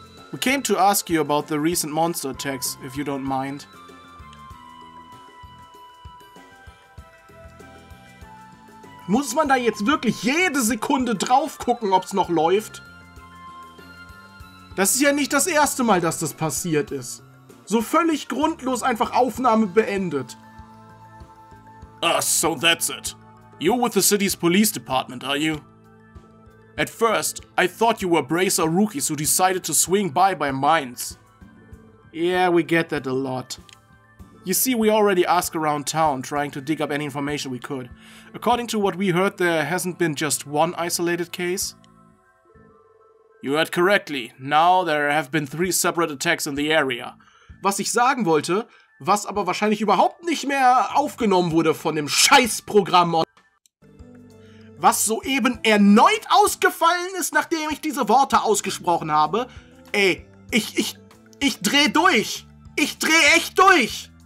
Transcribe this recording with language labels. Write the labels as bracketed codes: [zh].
[en] We came to ask you about the recent monster attacks, if you don't mind. [de] Muss man da jetzt wirklich jede Sekunde drauf gucken, ob's noch läuft? Das ist ja nicht das erste Mal, dass das passiert ist. So völlig grundlos einfach Aufnahme beendet. [en] So that's it. You're with the city's police department, are you? At first, I thought you were Bracer rookies who decided to swing by mines. Yeah, we get that a lot. You see, we already asked around town, trying to dig up any information we could. According to what we heard, there hasn't been just one isolated case. You heard correctly. Now there have been 3 separate attacks in the area. [de] Was ich sagen wollte, was aber wahrscheinlich überhaupt nicht mehr aufgenommen wurde von dem Scheißprogramm, was soeben erneut ausgefallen ist, nachdem ich diese Worte ausgesprochen habe. Ey, ich dreh durch. Ich dreh echt durch.